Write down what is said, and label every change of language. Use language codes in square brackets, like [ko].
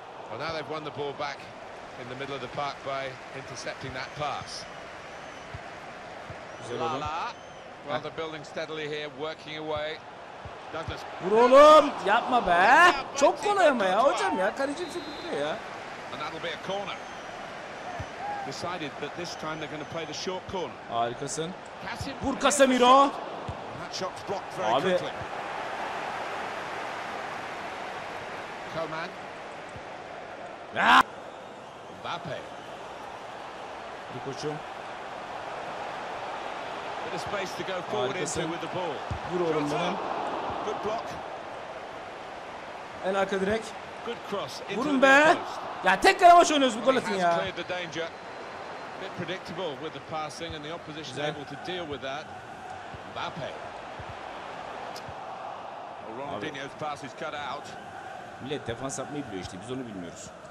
[en] Well, now they've won the ball back in the middle of the park by intercepting that pass. Well, the building steadily here, working away. Douglas. [tr] Vur oğlum, yapma be. Çok kolay ama ya hocam ya, kalecim çok kötü ya. [en] And that'll be a corner. Decided that this time they're going to play the short corner. [tr] Harikasın. Vur Casemiro. [en] That shot's blocked very quickly. Coman. Mbappe. [tr] Bir koçum. [en] The space to go forward into with the ball. [tr] Vur oğlum bana. [en] Good block. [tr] En arka direk. [en] Good cross. [tr] Vurun be. Ya tek kale maç oynuyoruz bu gol atın ya. [en] The danger. A bit predictable with the passing and the opposition able to deal with that. Mbappe. Ronaldinho's pass is cut out. [tr] Millet defans yapmayı biliyor işte, biz onu bilmiyoruz.